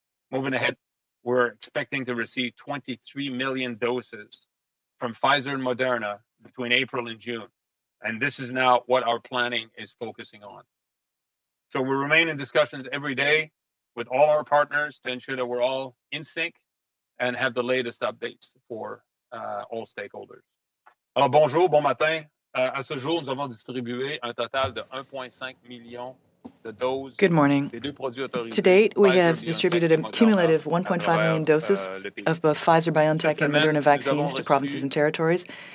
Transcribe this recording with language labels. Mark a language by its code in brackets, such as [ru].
[en] Moving ahead, we're expecting to receive 23 million doses from Pfizer and Moderna between April and June. And this is now what our planning is focusing on. So we remain in discussions every day with all our partners to ensure that we're all in sync and have the latest updates for all stakeholders. [fr] Alors bonjour, bon matin. À ce jour, nous avons distribué un total de 1.5 million [en] Good morning. To date, we have distributed a cumulative 1.5 million doses of both Pfizer-BioNTech and Moderna vaccines to provinces and territories.